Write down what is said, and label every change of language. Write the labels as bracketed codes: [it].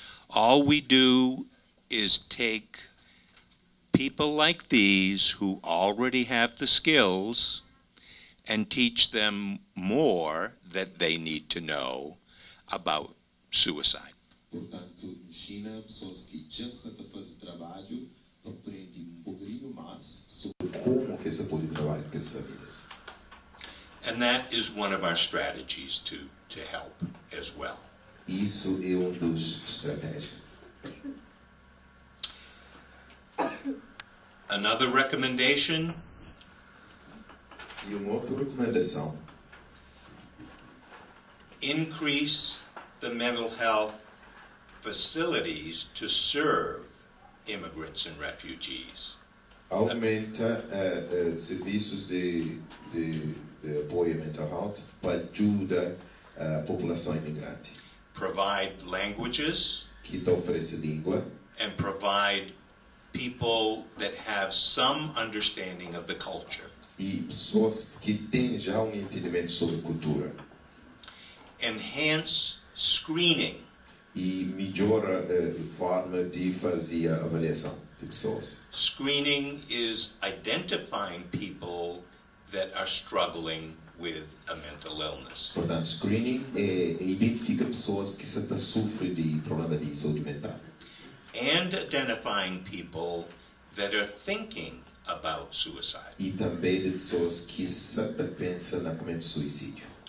[en] All we do is take people like these who already have the skills and teach them more that they need to know about suicide. [pt] Portanto, em China, pessoas que já estão fazendo trabalho aprendem um pouquinho mais sobre como que se pode trabalhar com essas vidas. [en] And that is one of our strategies to help as well. [pt] Isso é uma das estratégias. [en] Another recommendation. [pt] E uma outra recomendação. [en] Increase the mental health facilities to serve immigrants and refugees. [pt] Aumenta serviços de apoio à mental health para ajudar a população imigrante. [en] Provide languages. [pt] Que te oferece língua. [en] And provide people that have some understanding of the culture. [pt] E pessoas que têm já entendimento sobre cultura. [en] Enhance screening. [pt] E melhora a forma de fazer a avaliação de pessoas. [en] Screening is identifying people that are struggling with a mental illness. [pt] Portanto, screening é identificar pessoas que estão sofrendo de problema de saúde mental. [en] And identifying people that are thinking about suicide. [pt] E também de pessoas que estão pensando em cometer suicídio.